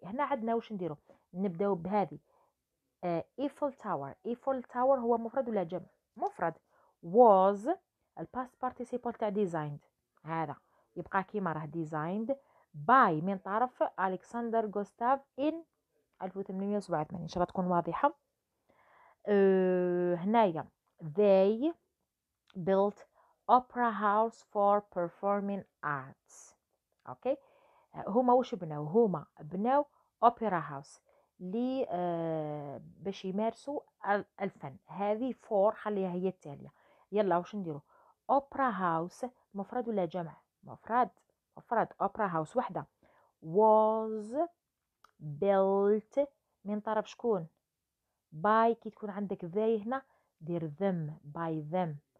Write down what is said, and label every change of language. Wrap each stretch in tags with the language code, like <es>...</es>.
<ar>هنا عندنا واش نديرو؟ نبداو بهذه ايفل تاور. ايفل تاور هو مفرد ولا جمع؟ مفرد.</ar> <en>was الباست participle</en> <ar>تاع ديزايند، هذا يبقى كيما راه ديزايند باي من طرف الكسندر غوستاف ان 1887. ان شاء الله تكون واضحه.</ar> <en>هنايا they built opera house for performing arts.</en> <ar>اوكي هما واش بناو؟ هما بناو اوبرا هاوس لي باش يمارسوا الفن. هذه فور خليها هي التاليه. يلا واش نديرو؟ اوبرا هاوس مفرد ولا جمع؟ مفرد. مفرد اوبرا هاوس وحده.</ar> <en>was built</en> <ar>من طرف شكون؟ باي كي تكون عندك ذي هنا دير</ar> <en>them by them.</en>